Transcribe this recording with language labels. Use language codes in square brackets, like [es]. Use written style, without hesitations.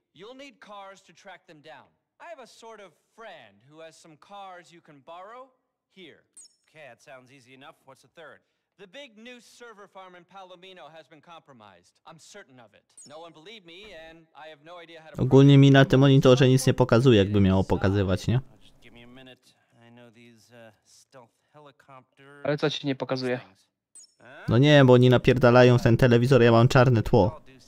[en] You'll need cars to track them down. I have a sort of friend who has some cars you can borrow here. Okay, that sounds easy enough. What's the third? The big new server farm in Palomino has been compromised. I'm certain of it. No one believed me, and I have no idea how to... [pl] Ogólnie mi na tym monitorze nic nie pokazuje, jakby miało pokazywać, nie? [en] Give me a minute. I know these stealth helicopters... [pl] Ale co ci nie pokazuje? No nie, bo oni napierdalają w ten telewizor, ja mam czarne tło.